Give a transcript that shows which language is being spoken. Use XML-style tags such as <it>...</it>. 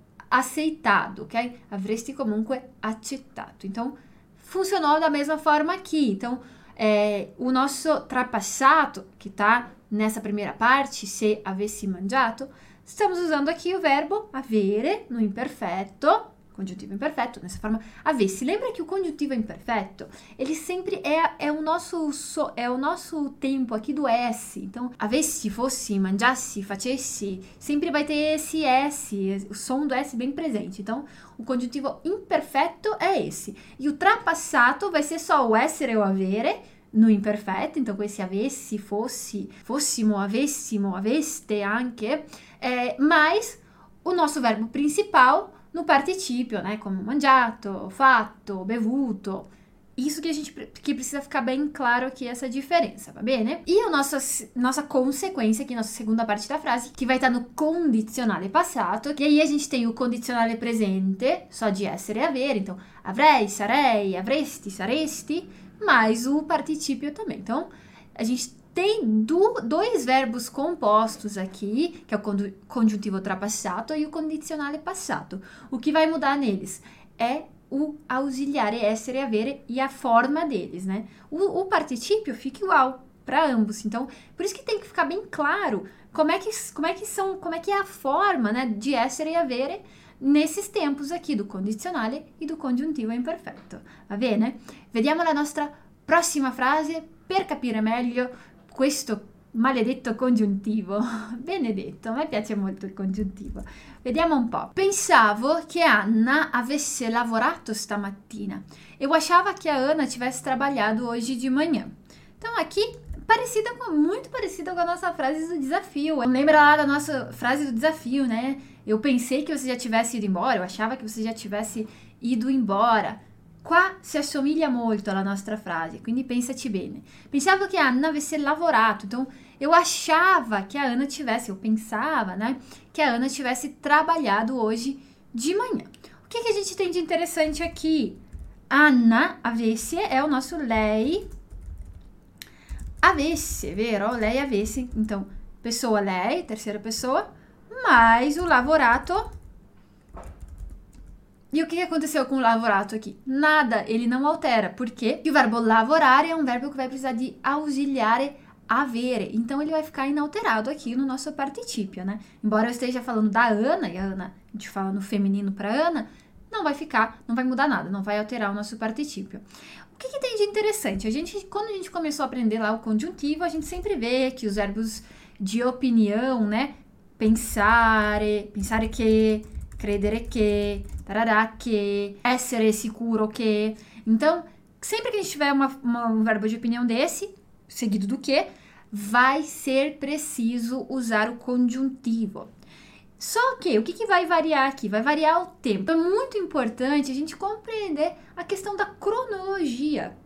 <pt>aceitado, ok? Havresti comunque aceitado. Então, funcionou da mesma forma aqui. Então, o nosso trapassado, que está nessa primeira parte,</pt> <it>se avessi mangiato,</it> <pt>estamos usando aqui o verbo avere no imperfetto, congiuntivo imperfetto, nessa forma avessi. Lembra che il congiuntivo imperfetto, ele sempre è o nosso è o nosso tempo aqui do S. Então, avessi, fossi, mangiassi, facessi, sempre vai ter esse S, o som do S bem presente. Então, o congiuntivo imperfetto è esse. E o trapassato vai ser só o essere ou avere no imperfetto. Então, com esse avessi, fossi, fossimo, avessimo, aveste anche, mais o nosso verbo principal no participio, né? Como mangiato, fatto, bevuto. Isso que a gente pre que precisa ficar bem claro aqui, essa diferença, tá bene? E a nossa consequência aqui, nossa segunda parte da frase, que vai estar no condizionale passato. E aí a gente tem o condizionale presente, só de essere e avere. Então, avrei, sarei, avresti, saresti, mais o participio também. Então, a gente tem dois verbos compostos aqui, que é o congiuntivo trapassato e o condizionale passato. O que vai mudar neles? É o ausiliare, essere, avere e a forma deles, né? O participio fica igual para ambos. Então, por isso que tem que ficar bem claro como é que é a forma, né, de essere e avere nesses tempos aqui do condizionale e do congiuntivo imperfetto. Va bene?</pt> <it>Vediamo la nostra prossima frase per capire meglio questo maledetto congiuntivo. Benedetto, a me piace molto il congiuntivo. Vediamo un po'. Pensavo che Anna avesse lavorato stamattina.</it> <pt>Eu achava que a Ana tivesse trabalhado hoje de manhã. Então, aqui, muito parecida com a nossa frase do desafio. Lembra lá da nossa frase do desafio, né? Eu pensei que você já tivesse ido embora. Eu achava que você já tivesse ido embora.</pt> <it>Qua si assomiglia molto alla nostra frase, quindi pensaci bene. Pensavo che Anna avesse lavorato,</it> <pt>então eu achava che Anna tivesse, eu pensava, né, che Anna tivesse trabalhado hoje de manhã. O que que a gente tem de interessante aqui? Anna avesse é o nosso lei avesse, vero? Lei avesse, então pessoa lei, terceira pessoa, mais o lavorato. E o que aconteceu com o lavorato aqui? Nada, ele não altera. Por quê? Porque o verbo lavorare é um verbo que vai precisar de ausiliare avere. Então, ele vai ficar inalterado aqui no nosso participio, né? Embora eu esteja falando da Ana, e a Ana, a gente fala no feminino para Ana, não vai ficar, não vai mudar nada, não vai alterar o nosso participio. O que que tem de interessante? Quando a gente começou a aprender lá o conjuntivo, a gente sempre vê que os verbos de opinião, né? Pensare, pensare che, credere che, tarará que, essere sicuro che. Então, sempre que a gente tiver um verbo de opinião desse, seguido do que, vai ser preciso usar o conjuntivo. Só que, o que que vai variar aqui? Vai variar o tempo. É muito importante a gente compreender a questão da cronologia.</pt>